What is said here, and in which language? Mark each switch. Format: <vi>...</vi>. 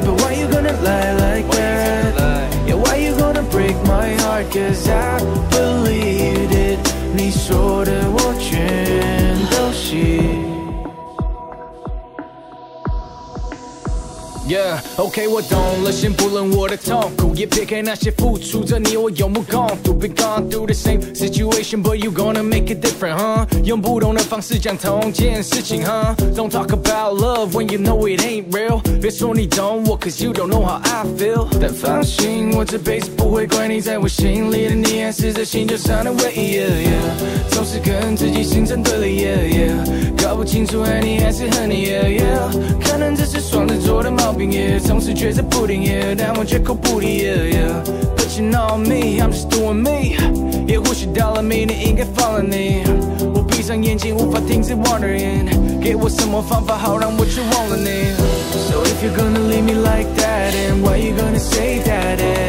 <en>But why you gonna lie like that? Yeah, why you gonna break my heart? Cause I believed it</en> <zh>你说的我全都信。 OK 我懂了，先不论我的痛苦，也撇开那些付出着你我有目共睹。</zh> <en>Been gone through the same situation but you gonna make it different, huh?</en> <zh>用不同的方式讲同件事情、</zh> <en>Don't talk about love when you know it ain't real，</en> <zh>别说你懂我</zh> <en>cause you don't know how I feel。</en> <zh>但放心，我这辈子不会怪你，在我心里的你还是在心就上的唯一、总是跟自己形成对立、搞不清楚爱你还是恨你、可能这是双子座的毛病，总是觉得不定，但我绝口不提。</zh> <en>But you know me, I'm just doing me.</en> <zh>也或许到了 me, 你应该放了你。我闭上眼睛，无法停止 wondering， 给我什么方法好让我去忘了你。</zh> <en>So if you're gonna leave me like that, then why you gonna say that?</en>